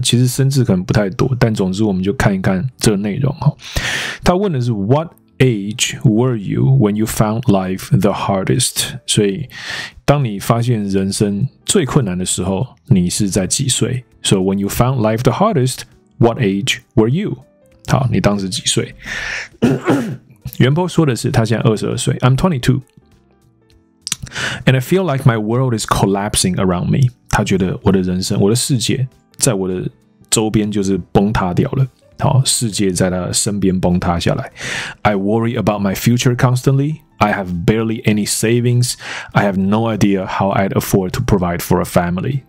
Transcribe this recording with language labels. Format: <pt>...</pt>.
<zh>其实生字可能不太多，但总之我们就看一看这个内容哈。他问的是</zh> <en>What age were you when you found life the hardest？</en> <zh>所以当你发现人生最困难的时候，你是在几岁 ？</zh> <en>So when you found life the hardest, what age were you？</en> <zh>好，你当时几岁？原po说的是他现在22岁 ，</zh> <en>I'm 22。 And I feel like my world is collapsing around me.</en> <zh>他觉得我的人生，我的世界，在我的周边就是崩塌掉了。好，世界在他身边崩塌下来。</zh> <en>I worry about my future constantly. I have barely any savings. I have no idea how I'd afford to provide for a family.</en>